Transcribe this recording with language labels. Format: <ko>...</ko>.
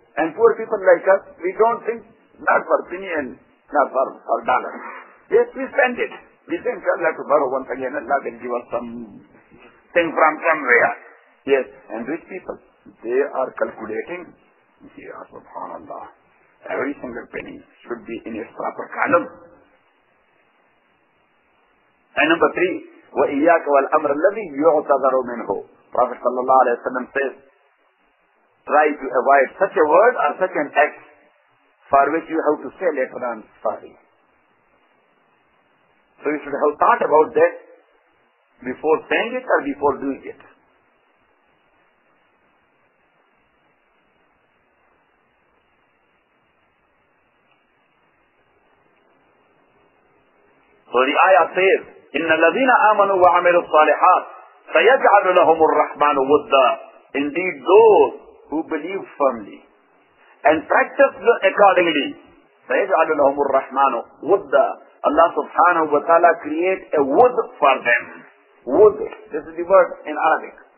<en>And poor people like us, we don't think not for penny and not for, for dollar. Yes, we spend it. We think we'll have to borrow once again and Allah will give us some thing from somewhere. Yes. And rich people, they are calculating. Yeah, subhanAllah. Every single penny should be in its proper column. And number three,</en> <ar>وَإِيَّاكَ وَالْأَمْرَ الَّذِي يُعْتَذَرُ مِنْهُ.</ar> <en>Prophet sallallahu alayhi wa sallam says, try to avoid such a word or such an act for which you have to say later on, sorry. So you should have thought about that before saying it or before doing it. So the ayah says,</en> <ar>إِنَّ الَّذِينَ آمَنُوا وَعَمِلُوا الصَّالِحَاتِ سَيَجْعَلُ لَهُمُ الرَّحْمَنُ وُدًّا.</ar> <en>Indeed, those who believe firmly and practice accordingly,</en> <ar>سَيَجْعَلُ لَهُمُ الرَّحْمَنُ وُدًّا.</ar> <en>Allah subhanahu wa ta'ala create a wood for them. Wood. This is the word in Arabic.</en>